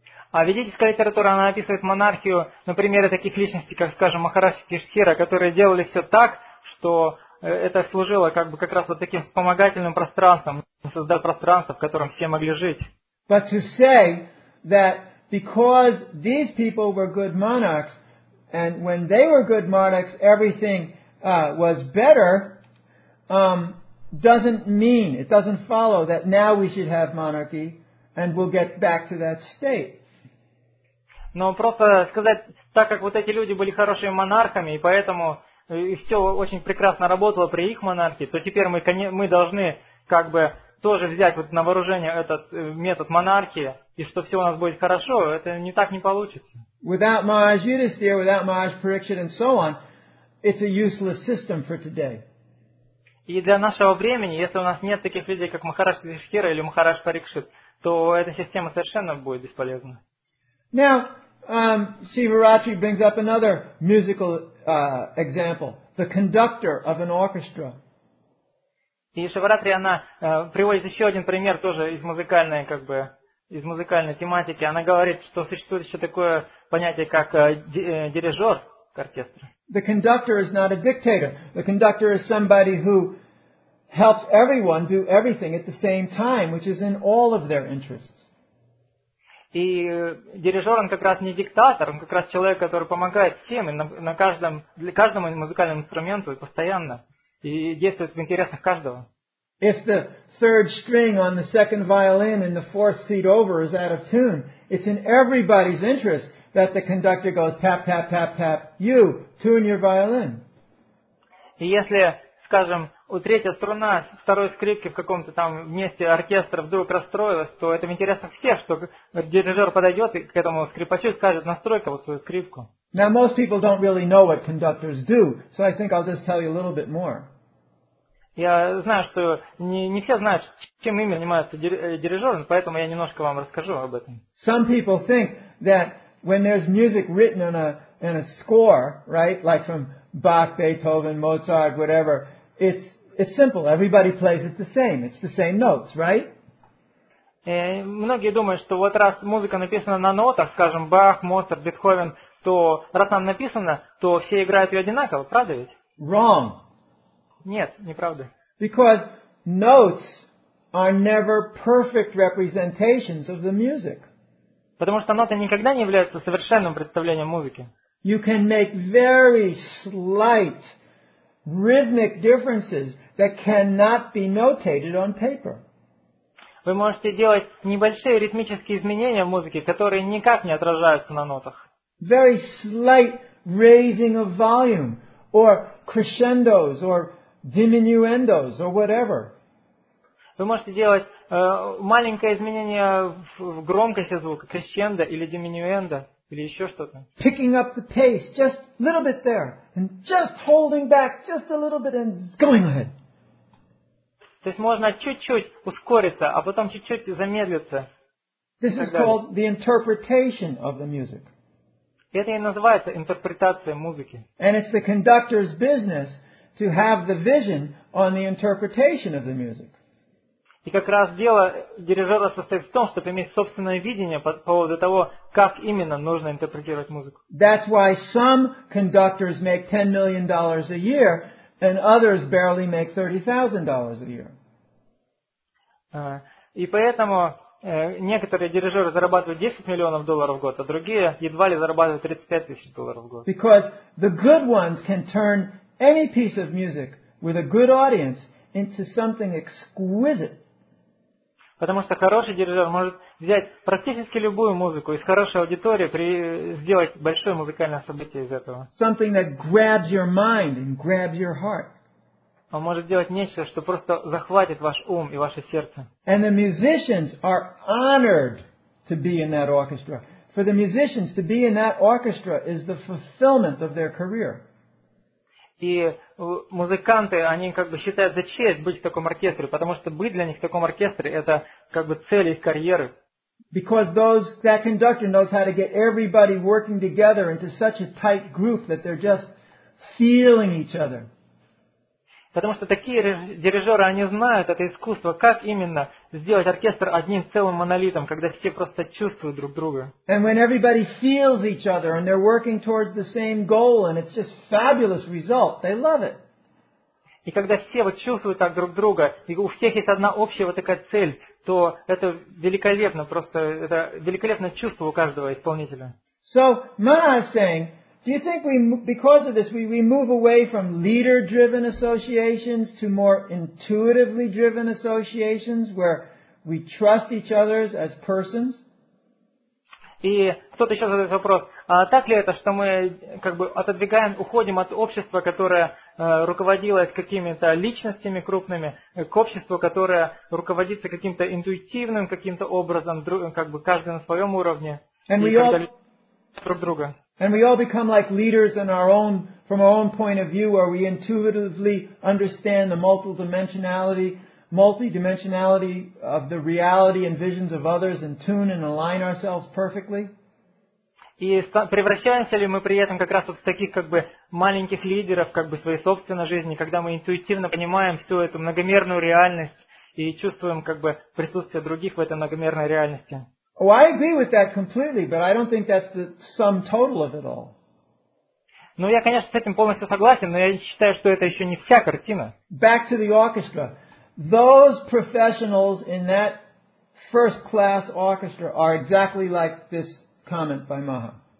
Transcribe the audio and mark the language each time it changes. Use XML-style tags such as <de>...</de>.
<ru>А ведическая литература, она описывает монархию на примере таких личностей, как, скажем, Махараджа Киштхира, которые делали все так, что это служило как бы как раз вот таким вспомогательным пространством, создать пространство, в котором все могли жить.</ru> <en>But to say that because these people were good monarchs, and when they were good monarchs, everything was better, doesn't mean, it doesn't follow that now we should have monarchy and we'll get back to that state.</en> <ru>Но просто сказать, так как вот эти люди были хорошими монархами, и поэтому и все очень прекрасно работало при их монархии, то теперь мы должны как бы тоже взять вот на вооружение этот метод монархии, и что все у нас будет хорошо, это не так не получится.</ru> <en>Without Maharaj Yudhisthira, without Maharaj Pariksit and so on, it's a useless system for today.</en> <ru>И для нашего времени, если у нас нет таких людей, как Махарадж Юдхиштхира или Махарадж Парикшит, то эта система совершенно будет бесполезна.</ru> <en>Now, Sivarachi brings up another musical example, the conductor of an orchestra.</en> <ru>И Шиваратри, она приводит еще один пример тоже из музыкальной как бы из музыкальной тематики, она говорит, что существует еще такое понятие, как дирижер оркестра.</ru> <en>The conductor is not a dictator. The conductor is somebody who helps everyone do everything at the same time, which is in all of their interests.</en> <ru>И дирижер, он как раз не диктатор, он как раз человек, который помогает всем и на каждом, для каждому музыкальному инструменту и постоянно, и действует в интересах каждого.</ru> <en>If the third string on the second violin in the fourth seat over is out of tune, it's in everybody's interest that the conductor goes tap, tap, tap, tap, you, tune your violin.</en> <ru>И если, скажем, у третьей струна второй скрипки в каком-то там месте оркестра вдруг расстроилась, то это в интересах всех, что дирижер подойдет и к этому скрипачу скажет, настрой-ка вот свою скрипку.</ru> <en>Now most people don't really know what conductors do, so I think I'll just tell you a little bit more.</en> <ru>Я знаю, что не все знают, чем именно занимаются дирижеры, поэтому я немножко вам расскажу об этом.</ru> <en>Some people think that when there's music written in a score, right, like from Bach, Beethoven, Mozart, whatever, it's simple. Everybody plays it the same. It's the same notes, right?</en> <ru>Многие думают, что вот раз музыка написана на нотах, скажем, Бах, Моцарт, Бетховен, то раз там написано, то все играют ее одинаково, правда ведь?</ru> <en>Wrong.</en> <ru>Нет, неправда.</ru> <en>Because notes are never perfect representations of the music.</en> <ru>Потому что ноты никогда не являются совершенным представлением музыки.</ru> <en>You can make very slight rhythmic differences that cannot be notated on paper.</en> <ru>Вы можете делать небольшие ритмические изменения в музыке, которые никак не отражаются на нотах.</ru> <en>Very slight raising of volume or crescendos or diminuendos or whatever.</en> <ru>Вы можете делать маленькое изменение в громкости звука, crescendo или diminuendo или еще что-то.</ru> <en>Picking up the pace just a little bit there and just holding back just a little bit and going ahead.</en> <ru>То есть можно чуть-чуть ускориться, а потом чуть-чуть замедлиться.</ru> <en>This is called the interpretation of the music.</en> <ru>Это и называется интерпретация музыки.</ru> <en>And it's the conductor's business to have the vision on the interpretation of the music.</en> <ru>И как раз дело дирижера состоит в том, чтобы иметь собственное видение по поводу того, как именно нужно интерпретировать музыку.</ru> <en>That's why some conductors make $10 million a year and others barely make $30,000 a year.</en> <ru>И поэтому некоторые дирижеры зарабатывают 10 миллионов долларов в год, а другие едва ли зарабатывают 35 тысяч долларов в год.</ru> <en>Because the good ones can turn any piece of music with a good audience into something exquisite.</en> <ru>Потому что хороший дирижер может взять практически любую музыку из хорошей аудитории и сделать большое музыкальное событие из этого.</ru> <en>Something that grabs your mind and grabs your heart.</en> <ru>Он может делать нечто, что просто захватит ваш ум и ваше сердце.</ru> <en>And the musicians are honored to be in that orchestra. For the musicians to be in that orchestra is the fulfillment of their career.</en> <ru>И музыканты, они как бы считают за честь быть в таком оркестре, потому что быть для них в таком оркестре – это как бы цель их карьеры.</ru> <en>Because that conductor knows how to get everybody working together into such a tight group that they're just feeling each other.</en> <ru>Потому что такие дирижеры, они знают это искусство, как именно сделать оркестр одним целым монолитом, когда все просто чувствуют друг друга.</ru> <en>And when everybody feels each other and they're working towards the same goal and it's just fabulous result, they love it.</en> <ru>И когда все вот чувствуют так друг друга, и у всех есть одна общая вот такая цель, то это великолепно, просто это великолепное чувство у каждого исполнителя.</ru> <en>So, Ma is saying, do you think we, because of this, we move away from leader-driven associations to more intuitively driven associations where we trust each other as persons?</en> <ru>И кто-то еще задает вопрос, а так ли это, что мы как бы отодвигаем, уходим от общества, которое руководилось какими-то личностями крупными, к обществу, которое руководится каким-то интуитивным каким-то образом, как бы каждый на своем уровне,</ru> <en>and</en> <ru>и когда</ru> <en>all...</en> <ru>друг друга?</ru> <en>And we all become like leaders in our own, from our own point of view, where we intuitively understand the multi-dimensionality of the reality and visions of others, and tune and align ourselves perfectly.</en> <ru>И превращаемся ли мы при этом как раз вот в таких как бы маленьких лидеров, как бы своей собственной жизни, когда мы интуитивно понимаем всю эту многомерную реальность и чувствуем как бы присутствие других в этой многомерной реальности.</ru> <en>Oh, I agree with that completely, but I don't think that's the sum total of it all.</en> <ru>Ну, я, конечно, с этим полностью согласен, но я считаю, что это еще не вся картина.</ru> <en>Back to the orchestra. Those professionals in that first-class orchestra are exactly like this comment by Maha.</en>